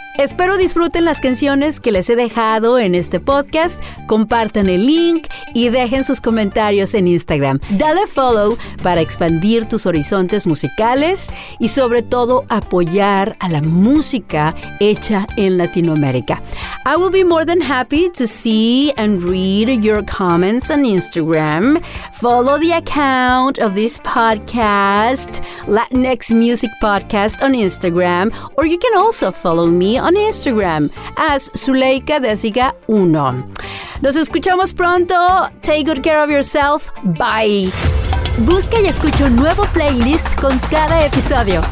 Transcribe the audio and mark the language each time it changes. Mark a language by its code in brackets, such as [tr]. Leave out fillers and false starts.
[es] Espero disfruten las canciones que les he dejado en este podcast, compartan el link y dejen sus comentarios en Instagram. Dale follow para expandir tus horizontes musicales y sobre todo apoyar a la música hecha en Latinoamérica. [en] I will be more than happy to see and read your comments on Instagram. Follow the account of this podcast, Latinx Music Podcast on Instagram, or you can also follow me on Instagram as Zuleika Desiga 1. [es] Nos escuchamos pronto. [en] Take good care of yourself. Bye. [es] Busca y escucha un nuevo playlist con cada episodio.